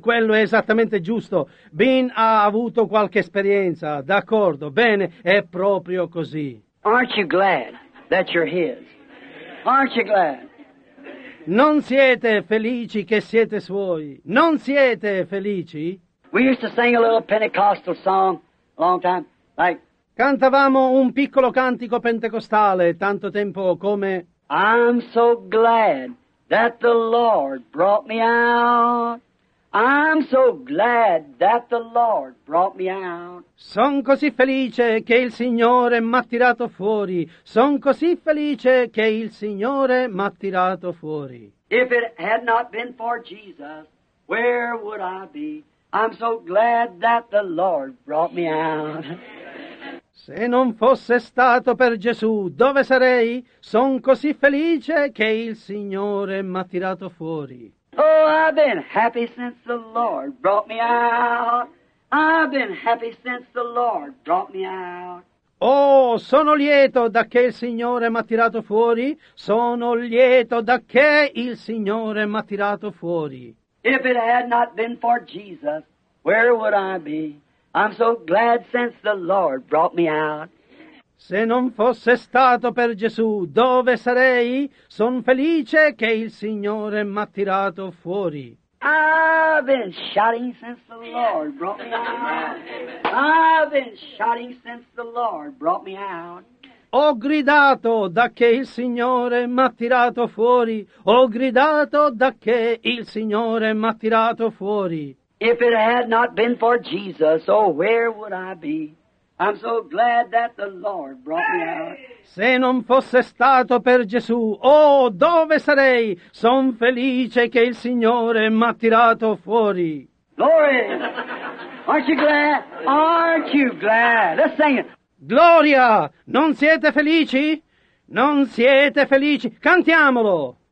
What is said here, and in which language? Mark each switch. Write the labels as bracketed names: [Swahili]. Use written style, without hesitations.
[Italian] Quello è esattamente giusto. Ben ha avuto qualche esperienza. D'accordo. Bene, è proprio così. [English] Aren't you glad that you're his? Aren't you glad? [Italian] Non siete felici che siete suoi? Non siete felici? [English] We used to sing a little Pentecostal song a long time. Like, [Italian] cantavamo un piccolo cantico pentecostale tanto tempo come [English] I'm so glad that the Lord brought me out. I'm so glad that the Lord brought me out. [Italian] Son così felice che il Signore m'ha tirato fuori. Son così felice che il Signore m'ha tirato fuori. [English] If it had not been for Jesus, where would I be? I'm so glad that the Lord brought me out. [Italian] Se non fosse stato per Gesù, dove sarei? Son così felice che il Signore m'ha tirato fuori. [English] Oh, I've been happy since the Lord brought me out. I've been happy since the Lord brought me out. [Italian] Oh, sono lieto da che il Signore m'ha tirato fuori. Sono lieto da che il Signore m'ha tirato fuori. [English] If it had not been for Jesus, where would I be? I'm so glad since the Lord brought me out. [Italian] Se non fosse stato per Gesù, dove sarei? Son felice che il Signore m'ha tirato fuori. [English] I've been shouting since the Lord brought me out. I've been shouting since the Lord brought me out. [Italian] Ho gridato da che il Signore m'ha tirato fuori. Ho gridato da che il Signore m'ha tirato fuori. [English] If it had not been for Jesus, oh, where would I be? I'm so glad that the Lord brought me out. [Italian] Se non fosse stato per Gesù, oh, dove sarei? Son felice che il Signore m'ha tirato fuori. [English] Glory! Aren't you glad? Aren't you glad? Let's sing it. [Italian] Gloria! Non siete felici? Non siete felici? Cantiamolo!